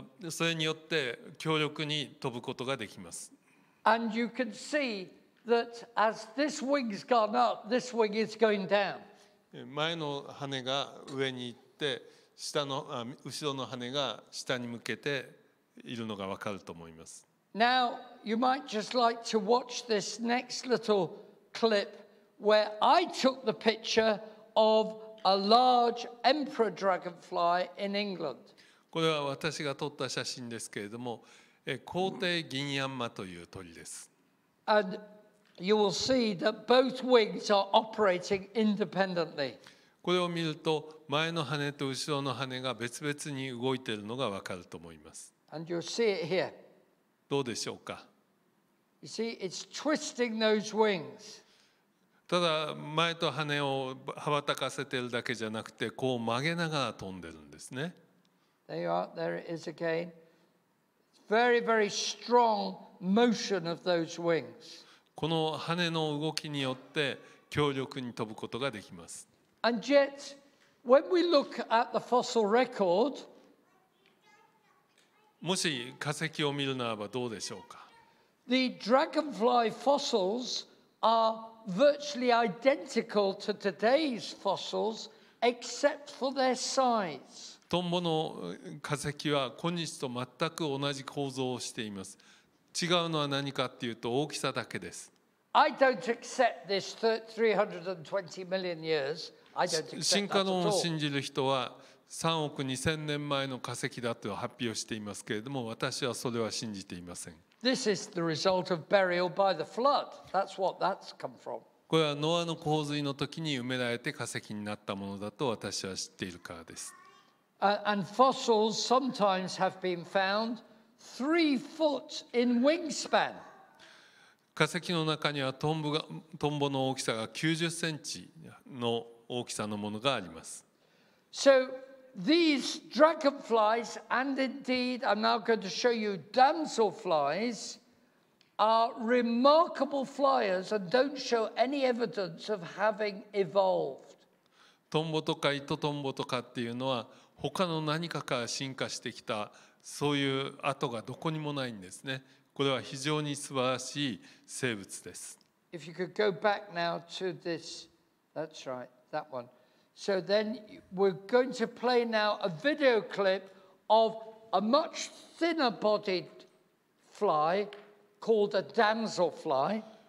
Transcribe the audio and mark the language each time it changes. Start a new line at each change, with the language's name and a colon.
Japanese: それによって強力に飛ぶことができます。
English: And you can see that as this wing's gone up, this wing is going down.
Japanese: 前の羽が上に行って、後ろの羽が下に向けているのが分かると思います。
English: Now, you might just like to watch this next little clip where I took the picture of. A large emperor dragonfly in England.
Japanese: これは私が撮った写真ですけれども、皇帝ギンヤンマという鳥です。
English: And you will see that both wings are operating independently.
Japanese: これを見ると、前の羽と後ろの羽が別々に動いているのがわかると思います。
English: And you'll see it here.
Japanese: どうでしょうか。
English: You see, it's twisting those wings.
Japanese: ただ前と羽を羽ばたかせているだけじゃなくて、こう曲げながら飛んでるんですね。
English: There you are. There it is again. Very, very strong motion of those wings.
Japanese: この羽の動きによって強力に飛ぶことができます。
English: And yet, when we look at the fossil record,
Japanese: もし化石を見るならばどうでしょうか。
English: The dragonfly fossils are virtually identical to today's fossils, except for their size.
Japanese: トンボの化石は今日と全く同じ構造をしています。違うのは何かっていうと大きさだけです。
English: I don't accept this 320 million years. I don't accept that at all.
Japanese: 進化論を信じる人は3億2000年前の化石だと発表していますけれども、私はそれは信じていません。
English: This is the result of burial by the flood. That's what that's come from.
Japanese: これはノアの洪水の時に埋められて化石になったものだと私は知っているからです。
English: And fossils sometimes have been found 3 feet in wingspan.
Japanese: 化石の中にはトンボの大きさが90センチの大きさのものがあります。
English: So these dragonflies and indeed I'm now going to show you damselflies are remarkable flyers and don't show any evidence of having evolved.
Japanese: トンボとか糸トンボとかっていうのは他の何かから進化してきた、そういう跡がどこにもないんですね。これは非常に素晴らしい生物です。
English: If you could go back now to this, that's right, that one. So then we're going to play now a video clip of a much thinner bodied fly called a damselfly.